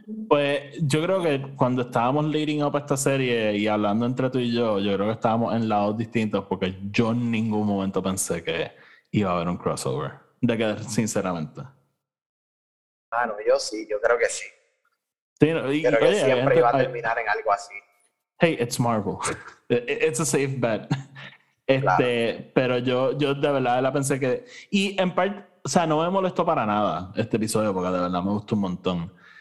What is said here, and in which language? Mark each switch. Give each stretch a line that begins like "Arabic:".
Spanish: Pues yo creo que cuando estábamos
English: leading up
Spanish: a esta serie y hablando entre tú y yo creo que estábamos en lados distintos porque yo en ningún momento pensé que iba a haber un crossover. De que, sinceramente. Ah, no, yo sí, yo creo que sí. Sí, siempre iba a terminar en algo así.
English: Hey, it's Marvel. It's a safe bet.
Spanish: Claro. Pero yo de verdad la pensé que... Y en parte, o sea, no me molestó para nada este episodio, porque de verdad me gustó un montón.